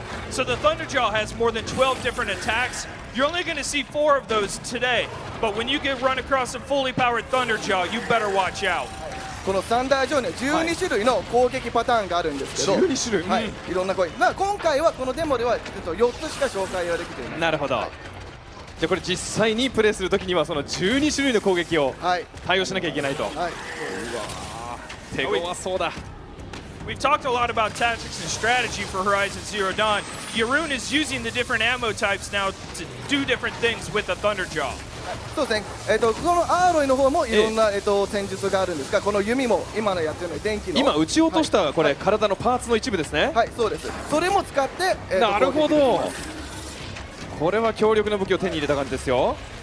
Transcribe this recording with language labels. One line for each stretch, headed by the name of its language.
English: So the Thunderjaw has more than 12 different attacks. You're only going to see four of those today. But when you get run across a fully powered Thunderjaw, you better watch out.
Japanese: このサンダージョーには12種類の攻撃パターンがあるんですけど。 12種類。はい。いろんな攻撃。今回はこのデモでは4つしか紹介ができていない。なるほど。じゃあこれ実際にプレイするときにはその12種類の攻撃を対応しなきゃいけないと。はい。手ごわそうだ。
English: We've talked a lot about tactics and strategy for Horizon Zero Dawn. Yurun is using the different ammo types now to do different things with the Thunderjaw.
Japanese: そうですね。このアーロイの方もいろんな戦術があるんですが、この弓も今のやってるの電気の。今撃ち落としたこれ、はい、体のパーツの一部ですね。はい、そうです。それも使って。なるほど。これは強力な武器を手に入れた感じですよ。